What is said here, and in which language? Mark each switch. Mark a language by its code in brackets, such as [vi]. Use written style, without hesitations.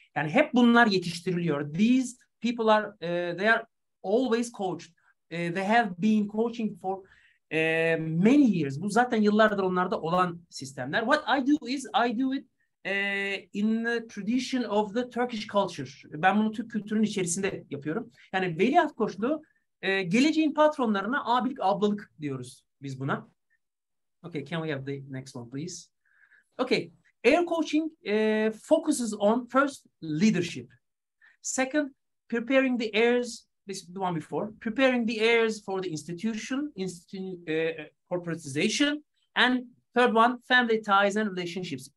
[tr] Yani hep bunlar yetiştiriliyor. [en] These people are, they are always coached. They have been coaching for many years. [tr] Bu zaten yıllardır onlarda olan sistemler. [en] What I do is I do it in the tradition of the Turkish culture. [tr] Ben bunu Türk kültürünün içerisinde yapıyorum. Yani veliaht koçluğu, geleceğin patronlarına abilik, ablalık diyoruz biz buna. [en] Okay, can we have the next one, please? Okay, air coaching focuses on first, leadership. Second, preparing the heirs, this is the one before, preparing the heirs for the institution, corporatization, and third one, family ties and relationships.